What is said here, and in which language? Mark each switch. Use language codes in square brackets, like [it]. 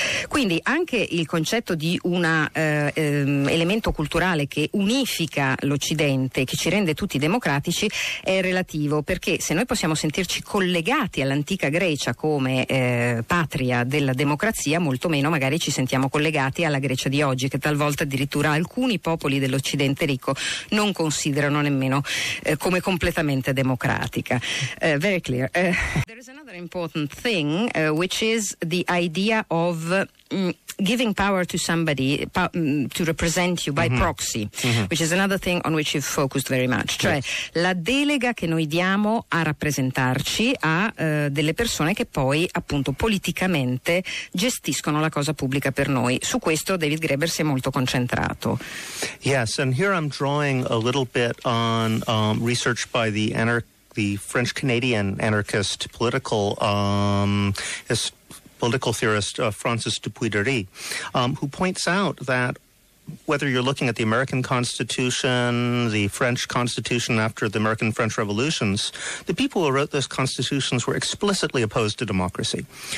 [it] Quindi anche il concetto di un elemento culturale che unifica l'Occidente, che ci rende tutti democratici, è relativo, perché se noi possiamo sentirci collegati all'antica Grecia come patria della democrazia, molto meno magari ci sentiamo collegati alla Grecia di oggi, che talvolta addirittura alcuni popoli dell'Occidente ricco non considerano nemmeno come completamente democratica. [en] Very clear. There is another important thing, which is the idea of giving power to somebody to represent you by mm-hmm. proxy, mm-hmm. which is another thing on which you've focused very much. [it] Cioè, yes. la delega che noi diamo a rappresentarci a delle persone che poi, appunto, politicamente gestiscono la cosa pubblica per noi. Su questo David Graeber si è molto concentrato. [en] Yes, and here I'm drawing a little bit on research by the French-Canadian anarchist political theorist Francis Dupuy-Dury, who points out that whether you're looking at the American Constitution, the French Constitution after the American-French Revolutions, the people who wrote those constitutions were explicitly opposed to democracy.